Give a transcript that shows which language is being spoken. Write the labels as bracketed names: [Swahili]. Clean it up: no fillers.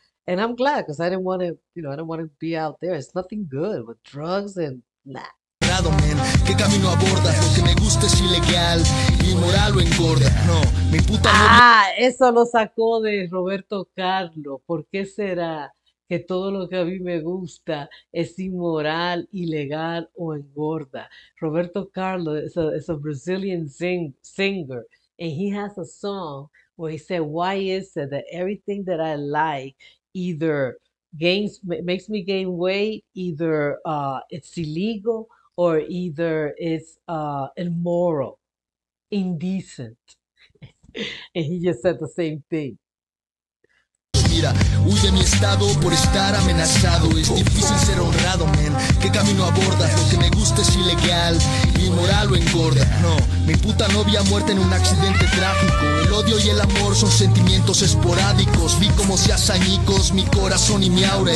[English] And I'm glad because I didn't want to, you know, I don't want to be out there. It's nothing good with drugs and nah. [Spanish] ¿Qué camino abordas? Lo que me gusta es ilegal, inmoral o engorda. No, mi puta novia. Ah, eso lo sacó de Roberto Carlos. ¿Por qué será que todo lo que a mí me gusta es inmoral, ilegal o engorda? [English] Roberto Carlos es a Brazilian singer, and he has a song where he said, "Why is it that everything that I like either makes me gain weight, either it's illegal, or either it's immoral, indecent?" And he just said the same thing. [Spanish] Mira, huye de mi estado por estar amenazado. Es difícil ser honrado, men. ¿Qué camino abordas? Lo que me gusta es ilegal, inmoral o engorda. No, mi puta novia muerta en un accidente trágico. El odio y el amor son sentimientos esporádicos. Vi cómo se hacen añicos mi corazón y mi aura.